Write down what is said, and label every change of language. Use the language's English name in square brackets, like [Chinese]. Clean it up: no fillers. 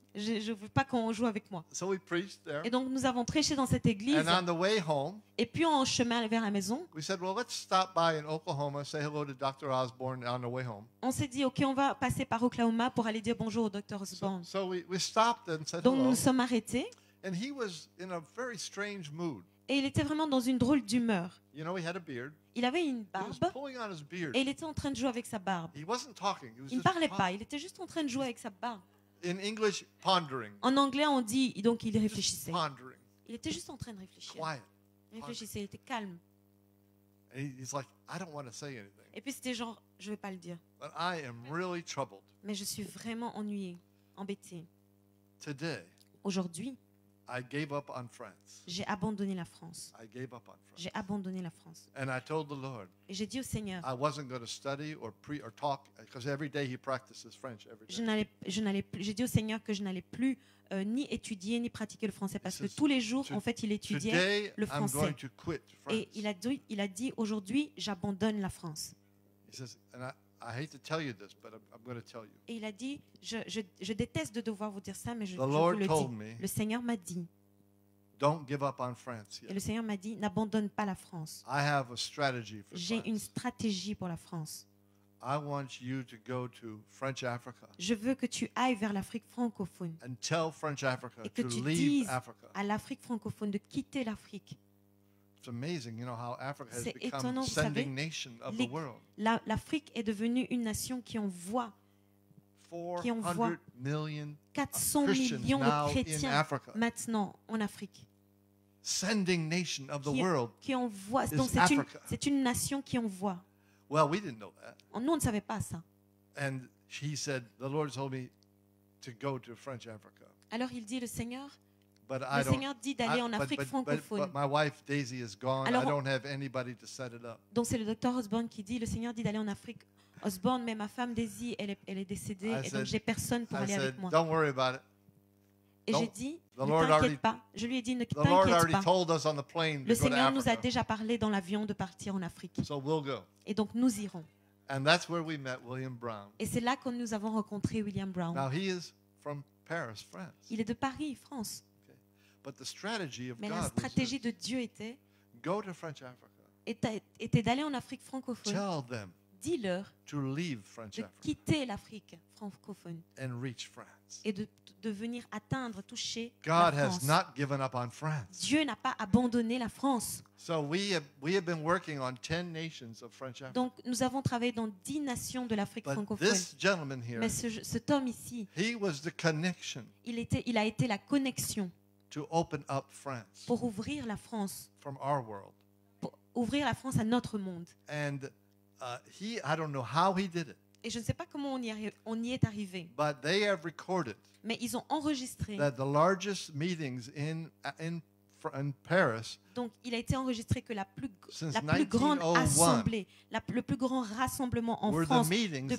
[French] Je ne veux pas qu'on joue avec moi. [English] So we preached there. [French] Et donc nous avons prêché dans cette église. [English] And on the way home, [French] et puis en chemin vers la maison, [English] we said, well, let's stop by in Oklahoma, say hello to Dr. Osborne on the way home. [French] On s'est dit, ok, on va passer par Oklahoma pour aller dire bonjour au Dr. Osborne. [English] So we stopped and said [French] donc [English] hello. [French] Nous sommes arrêtés. [English] And he was in a very strange mood. [French] Et il était vraiment dans une drôle d'humeur. [English] You know, he had a beard. [French] Il avait une barbe. [English] He was pulling on his beard. [French] Et il était en train de jouer avec sa barbe. [English] He wasn't talking. [French] Il ne parlait pas. Il était juste en train de jouer avec sa barbe. [English] In English, pondering. [French] En anglais, on dit donc il réfléchissait. [English] Pondering. [French] Il était juste en train de réfléchir. [English] Quiet. [French] Il réfléchissait. Il était calme. [English] And he's like, I don't want to say anything. [French] Et puis c'était genre, je ne vais pas le dire. [English] But I am really troubled. [French] Mais je suis vraiment ennuyé, embêté. [English] Today. [French] Aujourd'hui. [English] I gave up on France. [French] J'ai abandonné la France. [English] I gave up on France. [French] J'ai abandonné la France. [English] And I told the Lord. [French] Et j'ai dit au Seigneur. [English] I wasn't going to study or talk because every day he practices French every day. [French] J'ai dit au Seigneur que je n'allais plus ni étudier ni pratiquer le français parce que tous les jours en fait il étudiait le français. [English] Today I'm going to quit France. [French] Et il a dit aujourd'hui j'abandonne la France. [English] He says, and I hate to tell you this, but I'm going to tell you. [French] Et il a dit, je déteste de devoir vous dire ça, mais je vous le dis. Le Seigneur m'a dit. [English] Don't give up on France. [French] Et le Seigneur m'a dit, n'abandonne pas la France. [English] I have a strategy for France. [French] J'ai une stratégie pour la France. [English] I want you to go to French Africa. [French] Je veux que tu ailles vers l'Afrique francophone. [English] And tell French Africa to leave Africa. [French] À l'Afrique francophone de quitter l'Afrique. [English] It's amazing, you know, how Africa has become a sending nation of the world. [French] L'Afrique est devenue une nation qui envoie 400 millions de chrétiens maintenant en Afrique. [English] Sending nation of the world. [French] Qui envoie, donc c'est une nation qui envoie. [English] Well, we didn't know that. [French] Nous, on ne savait pas ça. [English] And he said, the Lord told me to go to French Africa. [French] Alors il dit, le Seigneur dit d'aller en Afrique francophone. [English] Alors, I don't have anybody to set it up. [French] Donc c'est le docteur Osborne qui dit, le Seigneur dit d'aller en Afrique Osborne, mais ma femme Daisy, elle est décédée, et donc j'ai personne pour aller avec moi. [English] Don't worry about it. [French] Et j'ai dit, ne t'inquiète pas. Je lui ai dit, ne t'inquiète pas. [English] The Lord already told us on the plane. [French] Le Seigneur nous a déjà parlé dans l'avion de partir en Afrique. [English] So we'll go. [French] Et donc nous irons. [English] And that's where we met William Brown. [French] Et c'est là que nous avons rencontré William Brown. [English] Now he is from Paris, France. [French] Il est de Paris, France. [English] But the strategy of [French] Mais [English] God [French] la stratégie de Dieu était, [English] go to French Africa. [French] Était d'aller en Afrique francophone. [English] Tell them [French] Dis-leur [English] to leave French [French] de [English] Africa. [French] Quitter l'Afrique francophone [English] and reach France. [French] Et de venir atteindre, toucher [English] God [French] la France. [English] Has not given up on France. [French] Dieu n'a pas abandonné la France. [English] So we have been working on 10 nations of French Africa. [French] Donc nous avons travaillé dans 10 nations de l'Afrique [English] But [French] francophone. [English] This gentleman here, [French] Mais cet homme ici, [English] he was the connection. [French] Il a été la connexion. [English] To open up France [French] pour ouvrir la France [English] from our world. [French] Pour ouvrir la France à notre monde. [English] And I don't know how he did it. [French] Et je ne sais pas comment on y est arrivé. [English] But they have recorded [French] Mais ils ont enregistré [English] that the largest meetings in Paris. [French] Donc il a été enregistré que la plus grande assemblée, le plus grand rassemblement en [English] were [French] France [English] the meetings [French] depuis